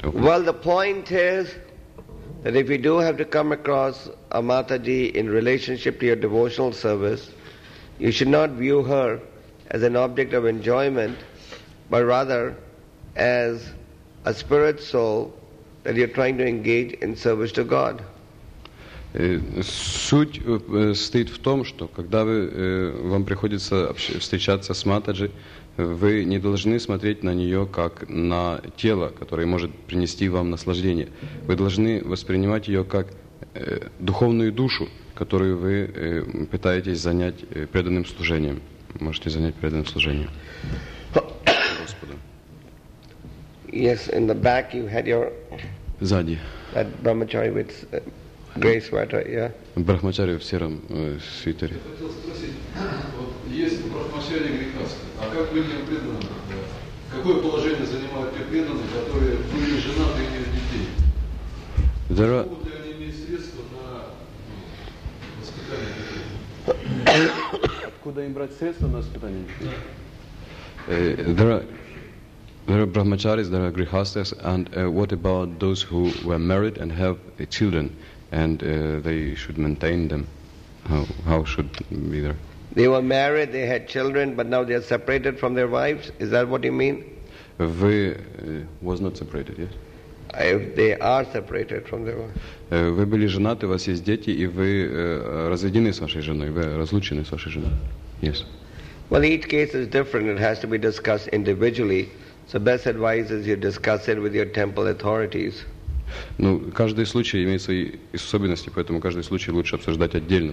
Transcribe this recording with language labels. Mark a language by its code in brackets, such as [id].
[en] Well, the point is that if you do have to come across a Mataji in relationship to your devotional service, you should not view her as an object of enjoyment, but rather as a spirit soul that you're trying to engage in service to God. [ru] Суть стоит в том, что когда вам приходится встречаться с Матаджи, вы не должны смотреть на нее как на тело, которое может принести вам наслаждение. Вы должны воспринимать ее как духовную душу, которую вы пытаетесь занять преданным служением. Можете занять преданным служением. Господу. [en] Yes, in the back you had your... [ru] Сзади. [en] That brahmachari with gray sweater, yeah? [ru] Брахмачари в сером свитере. Я хотел спросить, вот есть брахмачари грехасты, а как людям преданным? Какое положение занимают те преданные, которые были женаты и имеют детей? Могут ли они иметь средства на воспитание детей? Откуда им брать средства на воспитание детей? [en] There are brahmacharis, there are grihasthas, and what about those who were married and have children, and they should maintain them? How should be there? They were married, they had children, but now they are separated from their wives? Is that what you mean? They was not separated, yes? If they are separated from their wives. [ru] Вы были женаты, у вас есть дети, и вы разведены с вашей женой, вы разлучены с вашей женой. [en] Yes. Well, each case is different. It has to be discussed individually. So best advice is you discuss it with your temple authorities. [ru] Ну, каждый случай имеет свои особенности, поэтому каждый случай лучше обсуждать отдельно.